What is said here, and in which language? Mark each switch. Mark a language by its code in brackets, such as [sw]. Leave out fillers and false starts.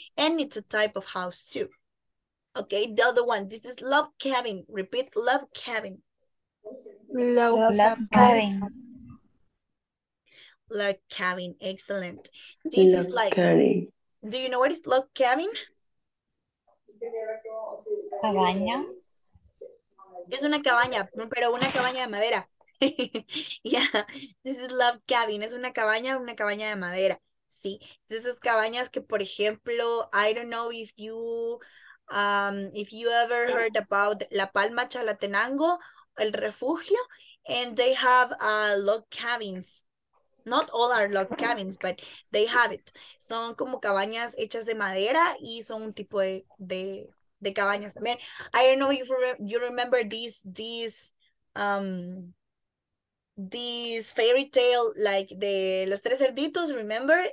[en] And it's a type of house too. Okay, the other one. This is love cabin. Repeat, love cabin. Love cabin. Love cabin, excellent. This is like, cabin. Do you know what is love cabin? [es] cabaña. Es una cabaña, pero una cabaña de madera. [en] Yeah, this is love cabin. [es] Es una cabaña de madera. Sí, esas cabañas que, por ejemplo, [en] I don't know if you ever heard about La Palma, Chalatenango, el refugio, and they have log cabins. Not all are log cabins, but they have it. [es] Son como cabañas hechas de madera y son un tipo de cabañas también. [en] I don't know if you remember this fairy tale, like the Los Tres Cerditos, remember?